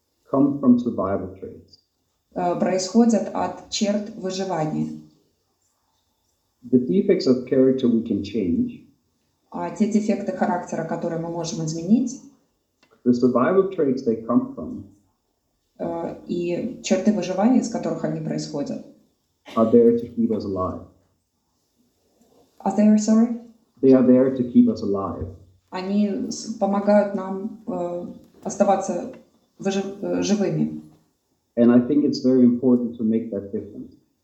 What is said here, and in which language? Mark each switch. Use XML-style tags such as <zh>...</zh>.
<en>Come from survival traits.</en> <ru>Происходят от черт выживания.</ru> <en>The defects of character we can change.</en> <ru>А те дефекты характера, которые мы можем изменить.</ru> <en>The survival traits they come from.</en> <ru>И черты выживания, из которых они происходят.</ru> <en>Are there to keep us alive. Are there, sorry? They are there to keep us alive.</en> <ru>Они помогают нам оставаться живыми.</ru> <en>And I think it's very important to make that difference.</en>